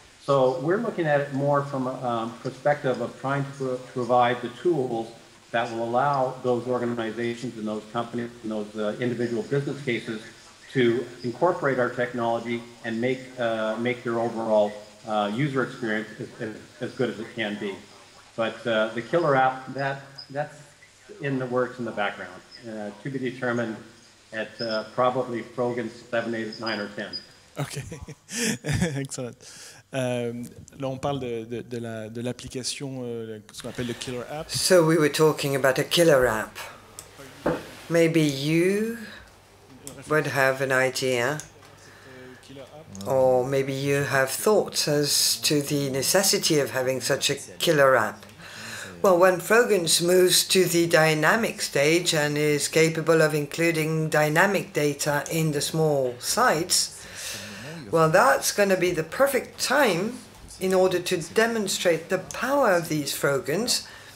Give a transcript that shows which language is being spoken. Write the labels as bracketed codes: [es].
[en] So we're looking at it more from a perspective of trying to provide the tools that will allow those organizations and those companies and those individual business cases to incorporate our technology and make their overall user experience as good as it can be. But the killer app, that's in the works in the background, to be determined at probably Frogans 7, 8, 9, or 10. Okay, excellent. [fr] Là, on parle de l'application, ce qu'on appelle le killer app. [en] So we were talking about a killer app. Maybe you would have an idea, or maybe you have thoughts as to the necessity of having such a killer app. Well, when Frogans moves to the dynamic stage and is capable of including dynamic data in the small sites, well, that's going to be the perfect time in order to demonstrate the power of these Frogans.